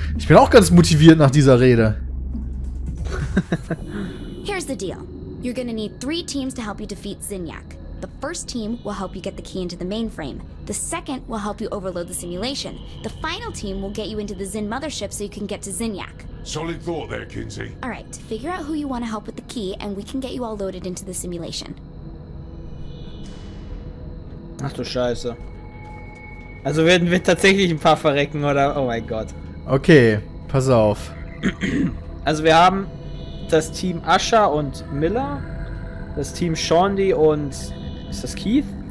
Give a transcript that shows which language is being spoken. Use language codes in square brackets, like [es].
[de] Ich bin auch ganz motiviert nach dieser Rede. [en] Here's the deal. You're gonna need 3 teams to help you defeat Zinyak. The first team will help you get the key into the mainframe. The second will help you overload the simulation. The final team will get you into the Zin mothership so you can get to Zinyak. Solid thought there, Kinsey. All right, figure out who you want to help with the key, and we can get you all loaded into the simulation. [de] Ach du Scheiße. Also werden wir tatsächlich ein paar verrecken, oder? Oh mein Gott. Okay, pass auf. Also wir haben das Team Asher und Miller, das Team Shondi und... ist das Keith?